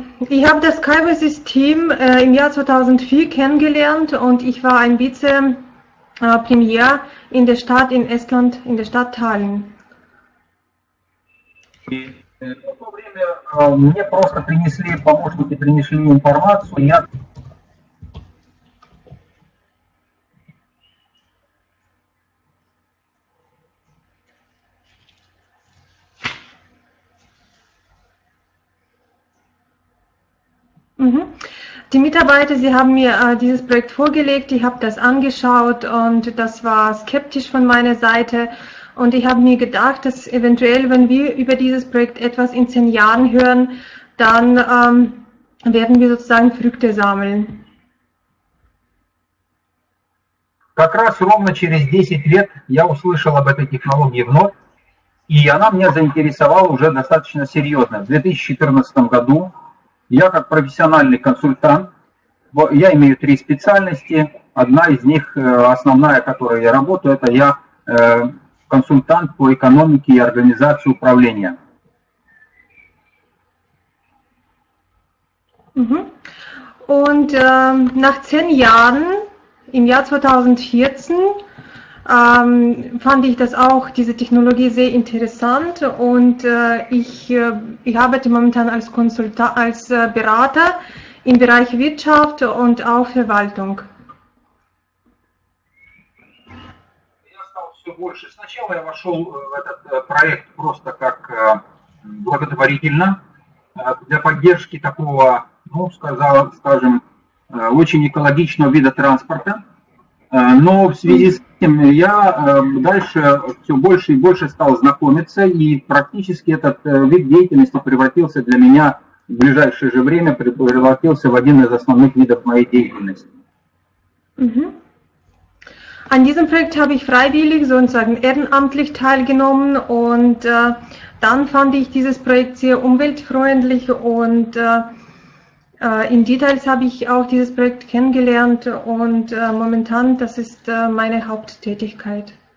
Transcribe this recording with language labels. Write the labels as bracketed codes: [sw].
[de] Ich habe das Skyway-System im Jahr 2004 kennengelernt und ich war ein Vize-Premier in der Stadt in Estland, in der Stadt Tallinn. [ru] Мне просто принесли, помощники принесли информацию, я... [de] Die Mitarbeiter, sie haben mir dieses Projekt vorgelegt, ich habe das angeschaut und das war skeptisch von meiner Seite. Und ich habe mir gedacht, dass eventuell, wenn wir über dieses Projekt etwas in 10 Jahren hören, dann werden wir sozusagen Früchte sammeln. [ru] Как раз ровно через 10 лет я услышал об этой технологии вновь, и она меня заинтересовала уже достаточно серьезно. В 2014 году я как профессиональный консультант, я имею 3 специальности, одна из них основная, которой я работаю, это я... консультант по экономике и организации управления. [de] Und nach 10 Jahren, im Jahr 2014, fand ich das auch, diese Technologie sehr interessant und ich arbeite momentan als Konsultant, als Berater im Bereich Wirtschaft und auch Verwaltung. [ru] Больше. Сначала я вошел в этот проект просто как благотворительно, для поддержки такого, ну, скажем, очень экологичного вида транспорта. Но в связи с этим я дальше все больше и больше стал знакомиться, и практически этот вид деятельности превратился для меня в ближайшее же время, превратился в один из основных видов моей деятельности. [de] An diesem Projekt habe ich freiwillig, sozusagen ehrenamtlich teilgenommen und dann fand ich dieses Projekt sehr umweltfreundlich und in Details habe ich auch dieses Projekt kennengelernt und momentan, das ist meine Haupttätigkeit.